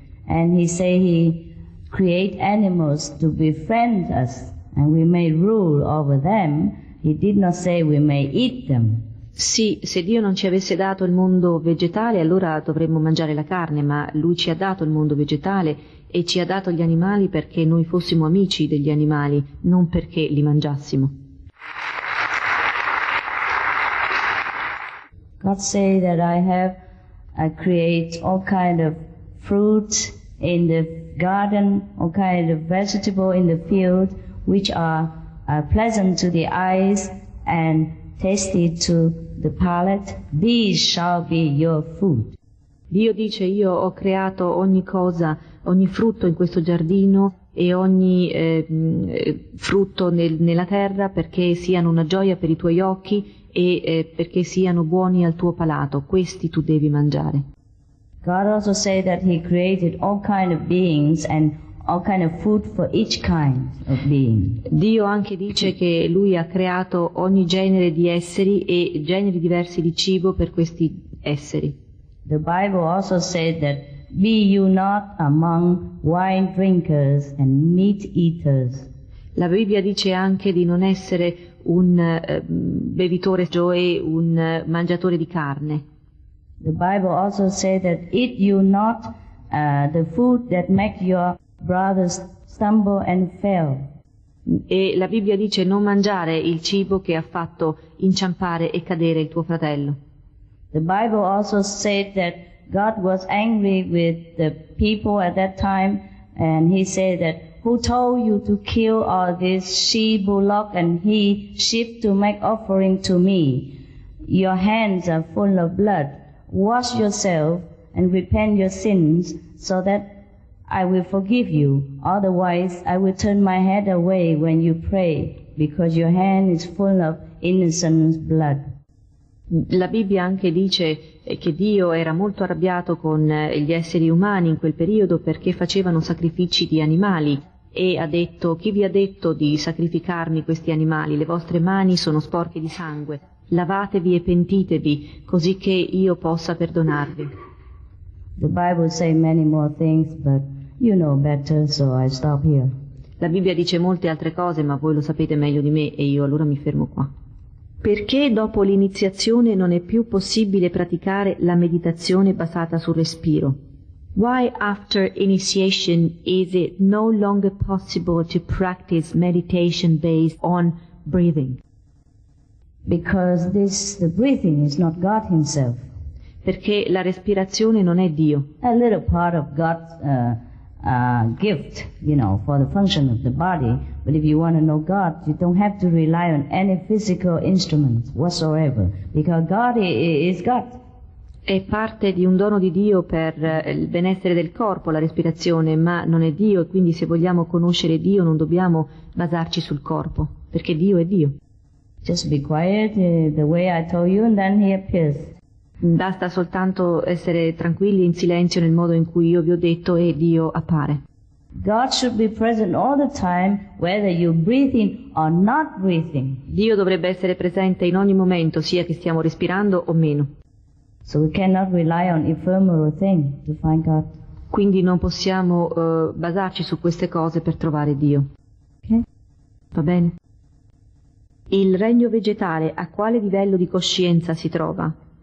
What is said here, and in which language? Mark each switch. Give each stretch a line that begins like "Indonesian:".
English: And He say He create animals to befriend us. And we may rule over them. He did not say we may eat them.
Italian: Sì, se Dio non ci avesse dato il mondo vegetale, allora dovremmo mangiare la carne, ma Lui ci ha dato il mondo vegetale e ci ha dato gli animali perché noi fossimo amici degli animali, non perché li mangiassimo.
English: God say that I create all kind of fruit in the garden, all kind of vegetable in the field, which are pleasant to the eyes and tasty to the palate, these shall be your food.
Italian: Dio dice, io ho creato ogni cosa, ogni frutto in questo giardino, e ogni frutto nella terra perché siano una gioia per i tuoi occhi e perché siano buoni al tuo palato. Questi tu devi mangiare.
English: God also said that he created all kind of beings and all kind of food for each kind of being.
Italian: Dio anche dice che lui ha creato ogni genere di esseri e generi diversi di cibo per questi esseri.
English: The Bible also said that be you not among wine drinkers and meat eaters.
Italian: La Bibbia dice anche di non essere un bevitore, cioè un mangiatore di carne.
English: The Bible also said that eat you not the food that make your brothers stumble and fail.
Italian: E la Bibbia dice non mangiare il cibo che ha fatto inciampare e cadere il tuo fratello.
English: The Bible also said that God was angry with the people at that time, and he said that who told you to kill all these sheep, bullock and he sheep to make offering to me? Your hands are full of blood. Wash yourself and repent your sins so that I will forgive you. Otherwise, I will turn my head away when you pray, because your hand is full of innocent blood.
Italian: La Bibbia anche dice che Dio era molto arrabbiato con gli esseri umani in quel periodo perché facevano sacrifici di animali e ha detto: chi vi ha detto di sacrificarmi questi animali? Le vostre mani sono sporche di sangue. Lavatevi e pentitevi così che io possa perdonarvi.
English: The Bible say many more things, but you know better, so I stop here.
Italian: La Bibbia dice molte altre cose, ma voi lo sapete meglio di me e io allora mi fermo qua. Perché dopo l'iniziazione non è più possibile praticare la meditazione basata sul respiro?
English: Why after initiation is it no longer possible to practice meditation based on breathing? Because this the breathing is not God himself.
Italian: Perché la respirazione non è Dio.
English: A little part of God's gift, you know, for the function of the body, but if you want to know God, you don't have to rely on any physical instrument whatsoever, because God is God.
Italian: È parte di un dono di Dio per il benessere del corpo, la respirazione, ma non è Dio, e quindi se vogliamo conoscere Dio non dobbiamo basarci sul corpo, perché Dio è Dio.
English: Just be quiet the way I told you and then he appears.
Italian: Basta soltanto essere tranquilli in silenzio nel modo in cui io vi ho detto e Dio appare.
English: God should be present all the time whether you're breathing or not breathing.
Italian: Dio dovrebbe essere presente in ogni momento sia che stiamo respirando o meno.
English: So we cannot rely on ephemeral thing to find God.
Italian: Quindi non possiamo basarci su queste cose per trovare Dio.
English: Okay.
Italian: Va bene. Il regno vegetale a quale livello di coscienza si trova?